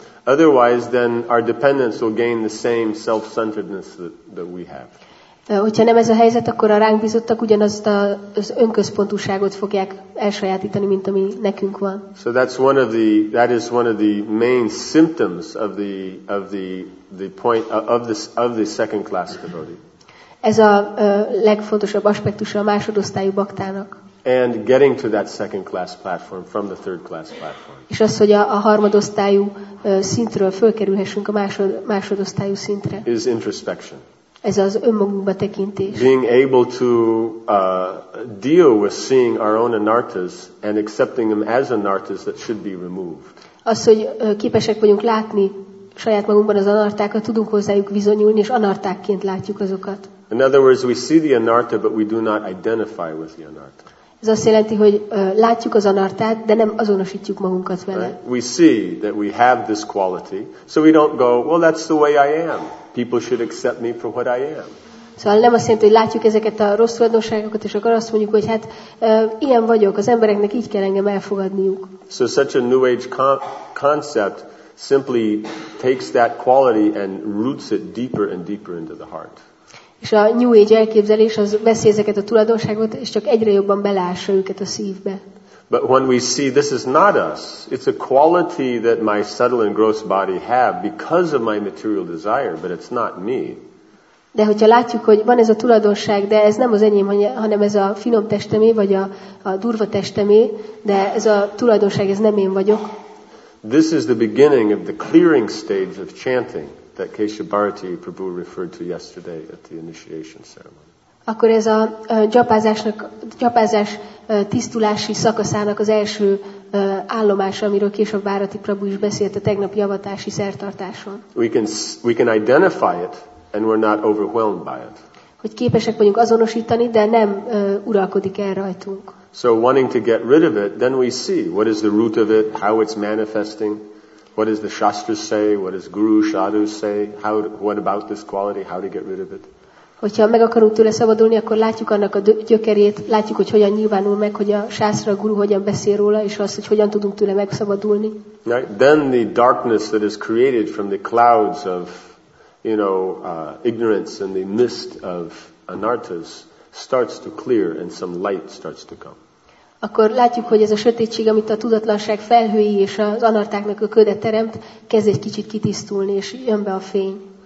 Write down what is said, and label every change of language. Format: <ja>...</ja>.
<en>Otherwise then our dependents will gain the same self-centeredness that we have.</en> <hu>Hogyha nem ez a helyzet, akkor a ránk bizottak ugyanazt az önközpontúságot fogják elsajátítani, mint ami nekünk van.</hu> <en>So that's one of the main symptoms of the second class devotee.</en> <hu>Ez a legfontosabb aspektusa a másodosztályú baktának.</hu> <en>and getting to that second class platform from the third class platform.</en> <hu>És az, hogy a harmadosztályú szintről fölkerülhessünk a másodosztályú szintre.</hu> <en>Is introspection.</en> <hu>Ez az önmagunkba tekintés.</hu> <en>Being able to deal with seeing our own anarthas and accepting them as anarthas that should be removed.</en> <hu>Az, hogy képesek vagyunk látni saját magunkban az anarthákat, tudunk hozzájuk viszonyulni, és anarthákként látjuk azokat.</hu> <en>In other words, we see the anartha, but we do not identify with the anartha.</en> <hu>Ez azt jelenti, hogy látjuk az anarthát, de nem azonosítjuk magunkat vele.</hu> <en>Right? We see that we have this quality, so we don't go, well, that's the way I am. People should accept me for what I am.</en> <hu>Szóval nem azt jelenti, hogy látjuk ezeket a rossz tulajdonságokat, és akkor azt mondjuk, hogy hát ilyen vagyok, az embereknek így kell engem elfogadniuk.</hu> <en>So such a new age concept simply takes that quality and roots it deeper and deeper into the heart.</en> <hu>És a New Age elképzelés az veszi ezeket a tulajdonságot, és csak egyre jobban belássa őket a szívbe.</hu> <en>But when we see this is not us, it's a quality that my subtle and gross body have because of my material desire, but it's not me.</en> <hu>De hogyha látjuk, hogy van ez a tulajdonság, de ez nem az enyém, hanem ez a finom testemé, vagy a durva testemé, de ez a tulajdonság, ez nem én vagyok.</hu> <en>This is the beginning of the clearing stage of chanting that Kesha Bharati Prabhu referred to yesterday at the initiation ceremony.</en> <hu>Akkor ez a gyapázás tisztulási szakaszának az első állomása, amiről később Bharati Prabhu is beszélt a tegnapi avatási szertartáson.</hu> <en>We can identify it, and we're not overwhelmed by it.</en> <hu>Hogy képesek vagyunk azonosítani, de nem uralkodik el rajtunk.</hu> <en>So wanting to get rid of it, then we see what is the root of it, how it's manifesting, what does the shastras say, what does guru shadu say, what about this quality, how to get rid of it.</en> <hu>Hogyha meg akarunk tőle szabadulni, akkor látjuk annak a gyökerét, látjuk, hogy hogyan nyilvánul meg, hogy a shastra, a guru hogyan beszél róla, és azt, hogy hogyan tudunk tőle megszabadulni.</hu> <en>Right? Then the darkness that is created from the clouds of, you know, ignorance and the mist of anarthas starts to clear and some light starts to come.</en> <hu>Akkor látjuk, hogy ez a sötétség, amit a tudatlanság felhői és az anarthának a köde teremt, kezd egy kicsit kitisztulni, és jön be a fény.</hu>